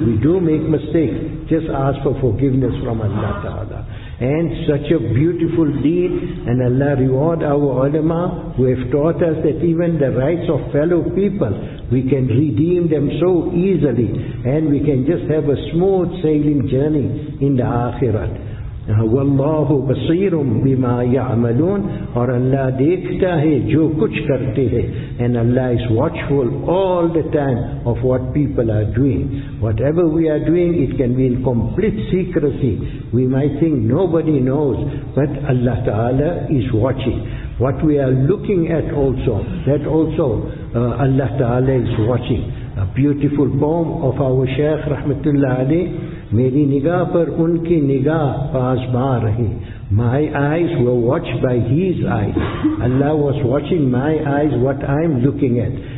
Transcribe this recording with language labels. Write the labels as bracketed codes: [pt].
[en] We do make mistakes. Just ask for forgiveness from Allah Ta'ala. And such a beautiful deed, and Allah reward our ulama who have taught us that even the rights of fellow people, we can redeem them so easily, and we can just have a smooth sailing journey in the akhirat. [ar] وَاللَّهُ بَصِيرٌ بِمَا يَعْمَلُونَ [ur] اور اللہ دیکھتا ہے جو کچھ کرتے ہیں. [en] And Allah is watchful all the time of what people are doing. Whatever we are doing, it can be in complete secrecy. We might think nobody knows, but Allah Ta'ala is watching. What we are looking at also, that also Allah Ta'ala is watching. A beautiful poem of our Shaykh Rahmatullah Ali. [ur] میری نگاہ پر ان کی نگاہ پاسباں رہی. [en] My eyes were watched by his eyes. Allah was watching my eyes, what I'm looking at.